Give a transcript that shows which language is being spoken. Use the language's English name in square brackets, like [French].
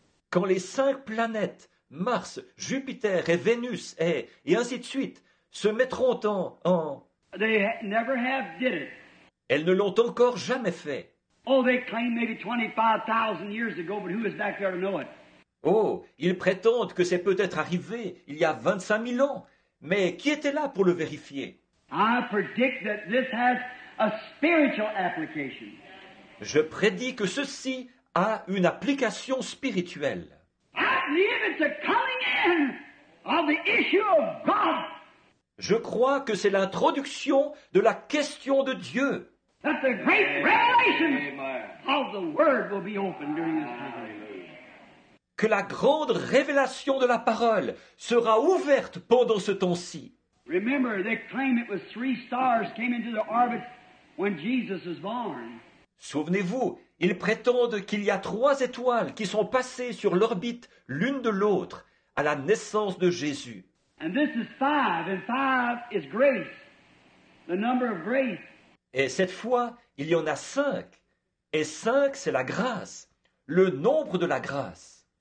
[French] Quand les cinq planètes, Mars, Jupiter et Vénus, et ainsi de suite, se mettront en... [English] They never have did it. [French] Elles ne l'ont encore jamais fait. [English] Oh, they claim maybe 25,000 years ago, but who is back there to know it? [French] Oh, ils prétendent que c'est peut-être arrivé il y a 25 000 ans, mais qui était là pour le vérifier? [English] I predict that this has a spiritual application. [French] Je prédis que ceci a une application spirituelle. [English] I believe it's a coming in of the issue of God. [French] Je crois que c'est l'introduction de la question de Dieu. [English] that the great revelation of the Word will be opened during this time. [French] Que la grande révélation de la parole sera ouverte pendant ce temps-ci. [English] Remember, they claim it was three stars came into the orbit when Jesus was born. [French] Souvenez-vous, ils prétendent qu'il y a trois étoiles qui sont passées sur l'orbite l'une de l'autre à la naissance de Jésus. [English] And this is five, and five is grace, the number of grace. [French] Et cette fois, il y en a cinq. Et cinq, c'est la grâce, le nombre de la grâce.